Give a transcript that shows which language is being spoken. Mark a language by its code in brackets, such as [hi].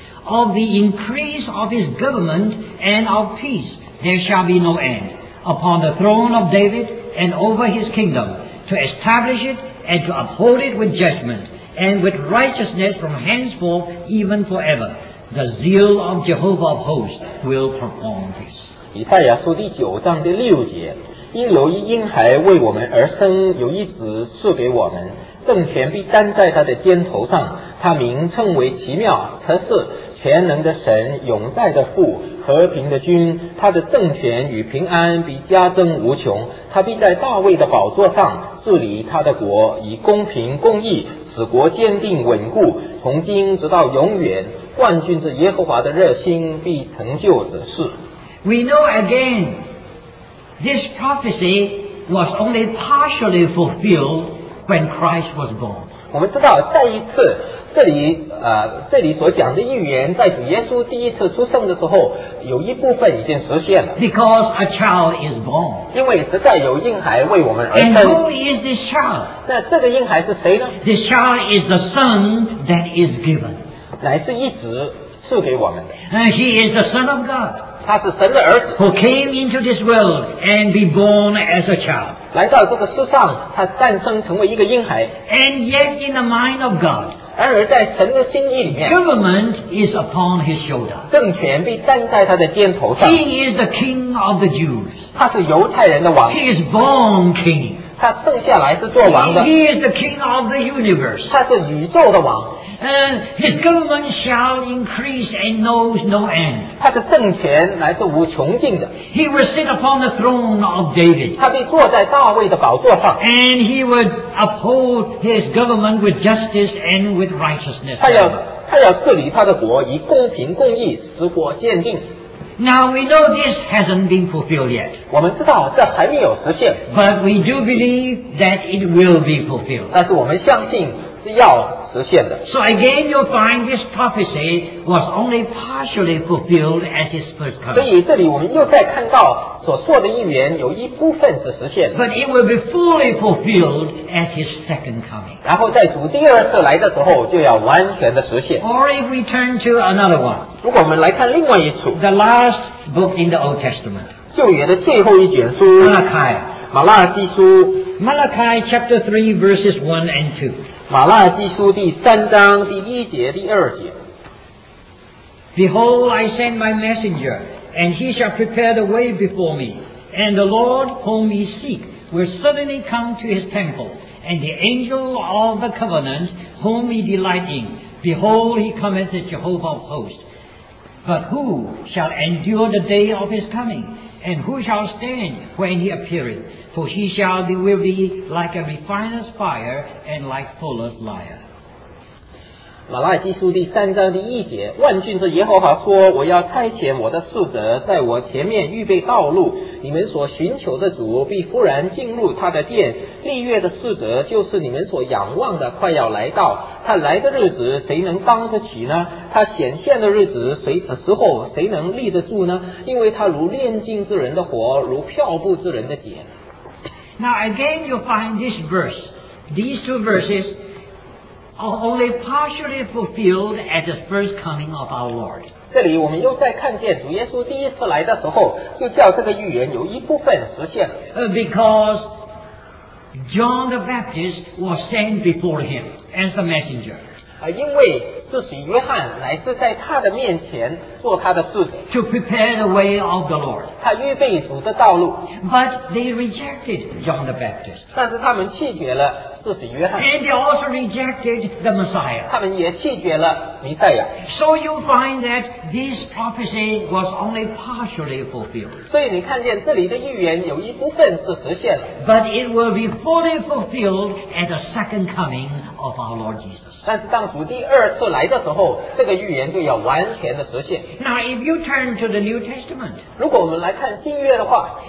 [en] Of the increase of his government and of peaceThere shall be no end upon the throne of David and over his kingdom to establish it and to uphold it with judgment and with righteousness from henceforth even forever. The zeal of Jehovah of hosts will perform this. [zh] 以赛亚书第九章第六节，因有一婴孩为我们而生，有一子赐给我们，政权必担在他的肩头上，他名称为奇妙、可是全能的神、永在的父、和平的君，他的政权与平安必加增无穷。他必在大卫的宝座上治理他的国，以公平公义使国坚定稳固，从今直到永远。冠军是耶和华的热心必成就的事。 [en] We know again this prophecy was only partially fulfilled when Christ was born. [zh] 我们知道再一次这里所讲的预言在主耶稣第一次出生的时候有一部分已经实现了。 [en] Because a child is born. [zh] 因为实在有婴孩为我们而生。 [en] And who is this child? [zh] 那这个婴孩是谁呢？ [en] The child is the son that is given. [zh] 乃是一子赐给我们的。 [en] And he is the son of God. [zh] 他是神的儿子。 [en] Who came into this world and be born as a child. [zh] 来到这个世上他诞生成为一个婴孩。 [en] And yet in the mind of God, [zh] 然而在神的心意里面 [en] Government is upon his shoulder. [zh] 政权被担在他的肩头上。 [en] He is the king of the Jews. [zh] 他是犹太人的王。 [en] He is born king. [zh] 他生下来是做王的。 [en] He is the king of the universe. [zh] 他是宇宙的王。 [en] His government shall increase and knows no end. [zh] 他的政权乃是无穷尽的。 [en] He will sit upon the throne of David. [zh] 他被坐在大卫的宝座上。 [en] And he would uphold his government with justice and with righteousness. [zh] 他要治理他的国以公平公义使国坚定。 [en] Now we know this hasn't been fulfilled yet. [zh] 我们知道这还没有实现。 [en] But we do believe that it will be fulfilled. [zh] 但是我们相信是要实现的。 [en] So again you'll find this prophecy was only partially fulfilled at its first coming. [zh] 所以这里我们又再看到所说的预言有一部分是实现的。 [en] But it will be fully fulfilled at his second coming. [zh] 然后在主第二次来的时候就要完全的实现。 [en] Or if we turn to another one. [zh] 如果我们来看另外一处。 [en] The last book in the Old Testament. [zh] 旧约的最后一卷书。 [en] Malachi. [zh] 马拉基书。 [en] Malachi chapter 3 verses 1 and 2. [zh] 马拉基书第三章第一节第二节。 [en] Behold, I send my messenger. And he shall prepare the way before me. And the Lord whom he seek will suddenly come to his temple. And the angel of the covenant whom he delight in. Behold, he cometh as Jehovah of hosts. But who shall endure the day of his coming? And who shall stand when he appeareth? For he shall be with thee like a refiner's fire and like fuller's lyre. [zh] 马拉基书第三章第一节，万军之耶和华说，我要差遣我的使者在我前面预备道路，你们所寻求的主必忽然进入他的殿，立月的使者就是你们所仰望的快要来到，他来的日子谁能当得起呢？他显现的日子谁的时候谁能立得住呢？因为他如炼净之人的火，如漂布之人的碱。 [en] Now again you find this verse, these two verses,only partially fulfilled at the first coming of our Lord. [zh] 这里我们又再看见主耶稣第一次来的时候就叫这个预言有一部分实现了。 [en] Because John the Baptist was sent before him as the messenger. [zh] 因为至使约翰乃是在他的面前做他的使者。 [en] To prepare the way of the Lord. [zh] 他预备主的道路。 [en] But they rejected John the Baptist. [zh] 但是他们拒绝了 [en] And they also rejected the Messiah. [zh] 他们也拒绝了弥赛亚。 [en] So you find that this prophecy was only partially fulfilled. [zh] 所以你看见这里的预言有一部分是实现了。 [en] But it will be fully fulfilled at the second coming of our Lord Jesus. [zh] 但是当主第二次来的时候，这个预言就要完全的实现。 [en] Now if you turn to the New Testament, [zh] 如果我们来看新约的话